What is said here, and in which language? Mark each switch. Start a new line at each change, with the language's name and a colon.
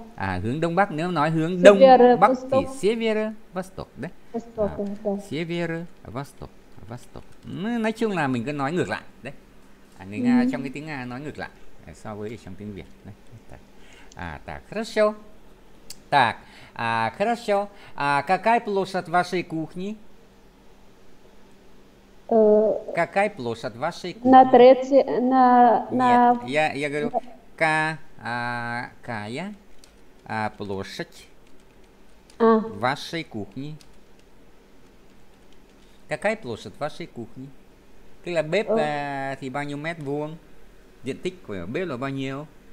Vietnamese: À hướng đông bắc, nếu nói hướng đông bắc thì север восток, đấy.
Russian: Восток, да. Север восток, восток.
Vietnamese: Nói chung là mình cứ nói ngược lại, đấy. À, người Nga trong cái tiếng Nga nói ngược lại so với trong tiếng Việt, đấy.
Russian: À, так, хорошо. Так, а хорошо. А какая площадь вашей кухни? Какая площадь вашей кухни? На третьей, на. Нет, я говорю к. А какая площадь вашей кухни? Какая площадь вашей кухни?
Vietnamese: Tức là bếp thì bao nhiêu mét vuông? Diện tích của bếp là bao nhiêu?